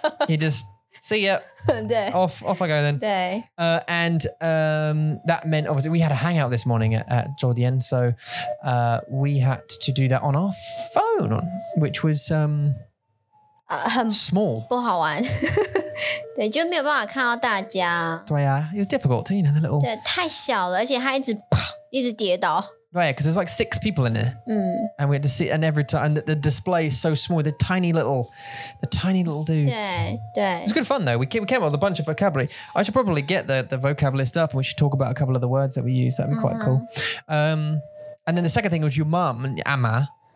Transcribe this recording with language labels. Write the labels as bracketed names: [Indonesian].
[English] he just... See ya. off I go then. That meant obviously we had a hangout this morning at Jordien, so we had to do that on our phone, which was small. [Chinese] 不好玩. 对，就没有办法看到大家. 对啊, [English] it was difficult, you know, the little. [Chinese] 对，太小了，而且他一直啪，一直跌倒. [English] Right, because there's like six people in there. Mm. And we had to sit, and every time, and the display is so small, the tiny little dudes. [Chinese] 对, [English] it was good fun though. We came up with a bunch of vocabulary. I should probably get the vocab list up, and we should talk about a couple of the words that we use. That'd be quite cool. And then the second thing was your mum, Ama.